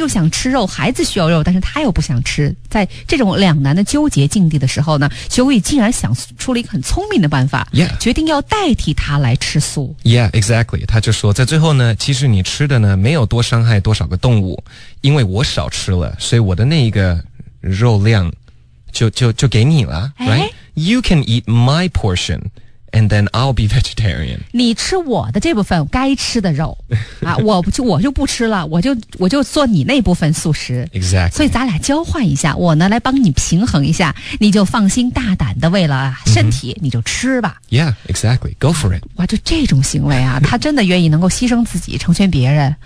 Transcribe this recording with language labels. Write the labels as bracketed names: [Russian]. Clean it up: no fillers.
[Chinese] 又想吃肉，孩子需要肉，但是她又不想吃。在这种两难的纠结境地的时候呢，修伟竟然想出了一个很聪明的办法、 yeah. 决定要代替她来吃素。 [English] Yeah, exactly. [Chinese] 她就说在最后呢，其实你吃的呢没有多伤害多少个动物。因为我少吃了，所以我的那一个肉量就给你了、哎、 [English] right? You can eat my portion and then I'll be vegetarian. [Chinese] 你吃我的这部分该吃的肉啊，我就不吃了，我就做你那部分素食。 [English] Exactly. [Chinese] 所以咱俩交换一下，我呢来帮你平衡一下，你就放心大胆的为了身体、mm-hmm. 你就吃吧。 [English] Yeah, exactly. Go for it. [Chinese] 哇，就这种行为啊，他真的愿意能够牺牲自己成全别人、